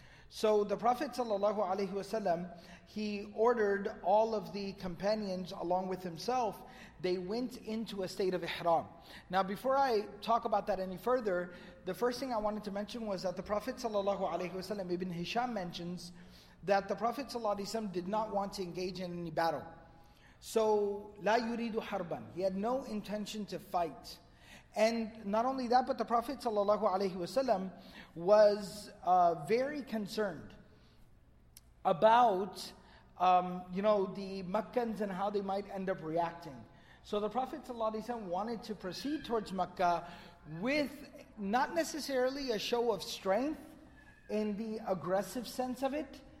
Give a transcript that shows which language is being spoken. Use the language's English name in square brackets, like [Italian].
[English] So the Prophet sallallahu alaihi wasallam, he ordered all of the companions along with himself, they went into a state of ihram. Now, before I talk about that any further, the first thing I wanted to mention was that the Prophet sallallahu alaihi wasallam, Ibn Hisham mentions that the Prophet ﷺ did not want to engage in any battle. So, [Arabic] لا يريد حرباً. [English] He had no intention to fight. And not only that, but the Prophet ﷺ was very concerned about the Meccans and how they might end up reacting. So the Prophet ﷺ wanted to proceed towards Mecca with not necessarily a show of strength in the aggressive sense of it.